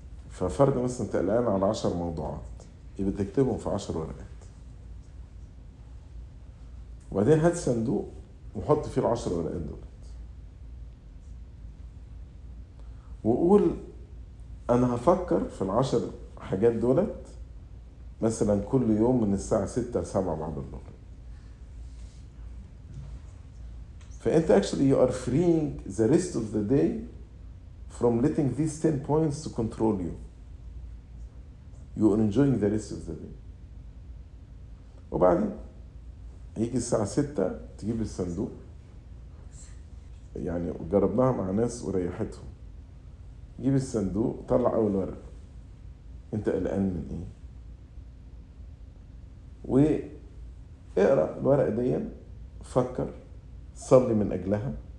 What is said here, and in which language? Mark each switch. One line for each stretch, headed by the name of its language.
Arabic: ففرد مثلا انت قلقان على 10 موضوعات، يبقى تكتبهم في 10 ورقات، وبعدين هات صندوق وحط فيه 10 ورقات دول، وقول انا هفكر في 10 حاجات دولت مثلا كل يوم من الساعة 6-7 بعد الظهر. فانت
English: actually you are freeing the rest of the day from letting these 10 points to control you. You are enjoying the rest of the day.
Arabic: وبعدين هيجي الساعة 6 تجيب الصندوق. يعني جربناها مع ناس وريحتهم. جيب الصندوق، طلع اول ورق. انت قلقان من ايه؟ واقرأ الورق دي، فكر، صلي من أجلها.